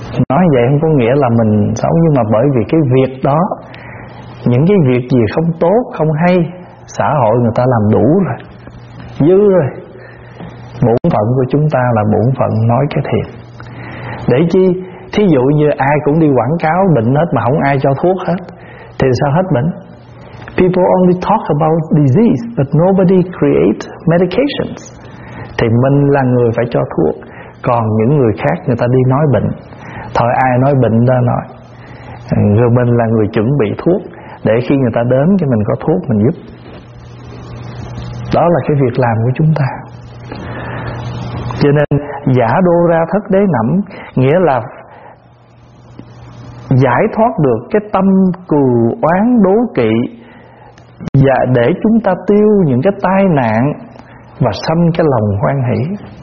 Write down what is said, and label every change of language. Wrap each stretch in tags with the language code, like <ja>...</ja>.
<vi>Nói vậy không có nghĩa là mình xấu, nhưng mà bởi vì cái việc đó, những cái việc gì không tốt, không hay, xã hội người ta làm đủ rồi, dư rồi. Bổn phận của chúng ta là bổn phận nói cái thiện. Để chi? Thí dụ như ai cũng đi quảng cáo bệnh hết mà không ai cho thuốc hết, thì sao hết bệnh?</vi> <en>People only talk about disease but nobody create medications.</en> <vi>Thì mình là người phải cho thuốc. Còn những người khác, người ta đi nói bệnh, thôi ai nói bệnh ra nói. Rồi mình là người chuẩn bị thuốc, để khi người ta đến cho mình có thuốc mình giúp. Đó là cái việc làm của chúng ta. Cho nên giả đô ra thất đế nẩm, nghĩa là giải thoát được cái tâm cừu oán đố kỵ, và để chúng ta tiêu những cái tai nạn và sanh cái lòng hoan hỷ.</vi>